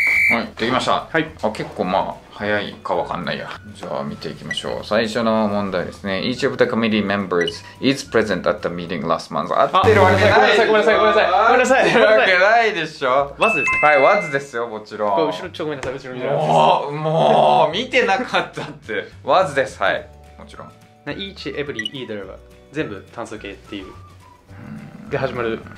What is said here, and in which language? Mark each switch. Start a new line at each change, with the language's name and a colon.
Japanese: はい、できました。はい、あ、結構まあ早いか分かんないや。じゃあ見ていきましょう。最初の問題ですね。
English: Each of the committee members is present at the meeting last month.
Japanese: 合ってるわけない。ごめんなさいごめんなさいごめんなさいごめんなさい。合ってるわけないでしょ。わずですね。はい、わずですよ。もちろん後ろ、ちょっとごめんなさい、後ろ見てます。もう見てなかったって。わずです。はい、もちろん Each, every, either は全部単数形っていうで始まる。